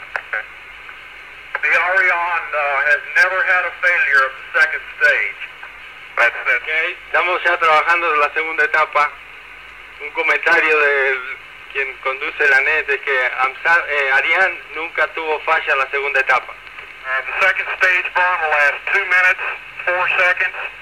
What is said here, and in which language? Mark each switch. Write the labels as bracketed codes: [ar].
[en] The Ariane has never had a failure of the second stage. That's it. [es] Okay, estamos ya trabajando en la segunda etapa. Un comentario de quien conduce la NET es que Ariane nunca tuvo falla en la segunda etapa. [en] The second stage burn will last 2 minutes, 4 seconds.